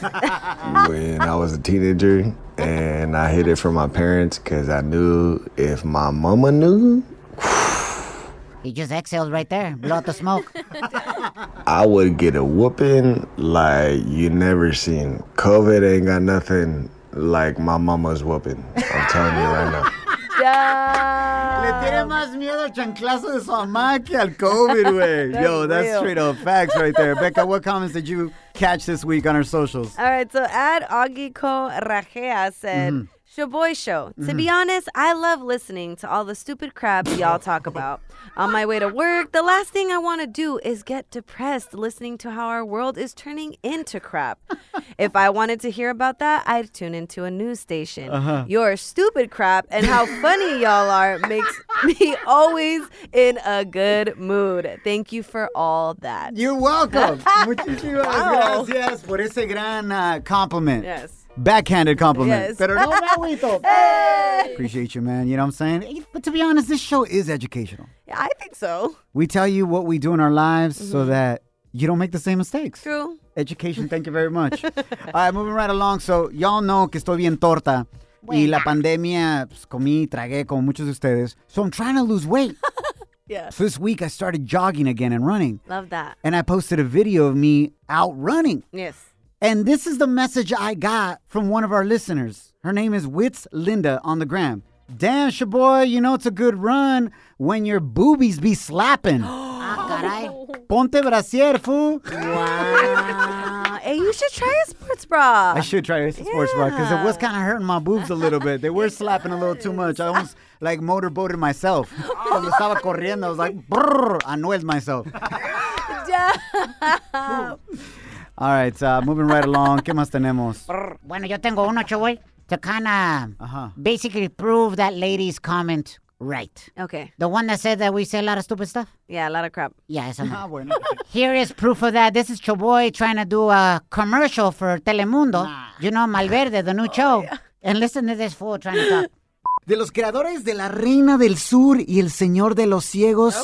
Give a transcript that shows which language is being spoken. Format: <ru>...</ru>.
<en>When I was a teenager and I hid it from my parents because I knew if my mama knew... He just exhaled right there. Blow out the smoke. I would get a whooping like you never seen. COVID ain't got nothing like my mama's whooping. I'm telling you right now.</en> <es>Le tiene más miedo al chanclazo de su mamá que al COVID, güey.</es> <en>Yo, that's straight up facts right there. Becca, what comments did you catch this week on our socials? All right, so at Agiko Rajea said... Shaboy Show. To be honest, I love listening to all the stupid crap y'all talk about. On my way to work, the last thing I want to do is get depressed listening to how our world is turning into crap. If I wanted to hear about that, I'd tune into a news station. Uh-huh. Your stupid crap and how funny y'all are makes me always in a good mood. Thank you for all that. You're welcome.</en> <es>Muchísimas gracias por ese gran compliment.</es> <en>Yes. Backhanded compliment. Yes. Better know that, Weto. Hey. Appreciate you, man. You know what I'm saying? Hey, but to be honest, this show is educational. Yeah, I think so. We tell you what we do in our lives so that you don't make the same mistakes. True. Education, thank you very much. All right, moving right along. So y'all know</en> <es>que estoy bien torta. Y la pandemia, pues, comí, tragué como muchos de ustedes.</es> <en>So I'm trying to lose weight. Yeah. So this week I started jogging again and running. Love that. And I posted a video of me out running. Yes. And this is the message I got from one of our listeners. Her name is Wits Linda on the gram. Damn, Shaboy, you know it's a good run when your boobies be slapping.</en> <es>Ah, caray. Ponte brasier, fool.</es> <en>Wow. Hey, you should try a sports bra. I should try a sports bra because it was kind of hurting my boobs a little bit. They were slapping a little too much. I almost like motorboated myself.</en> <es>Cuando estaba corriendo,</es> <en>I was like, brrr, annoyed myself. All right, moving right along.</en> <es>¿Qué más tenemos? Bueno, yo tengo uno,</es> <en>Chaboy, to kind of basically prove that lady's comment right. Okay. The one that said that we say a lot of stupid stuff? Yeah, a lot of crap. Yeah,</en> <es>eso no.</es> <en>Here is proof of that. This is Chaboy trying to do a commercial for Telemundo. Nah. You know, Malverde, the new show. Yeah. And listen to this fool trying to talk.</en> <es>De los creadores de La Reina del Sur y El Señor de los Ciegos.</es>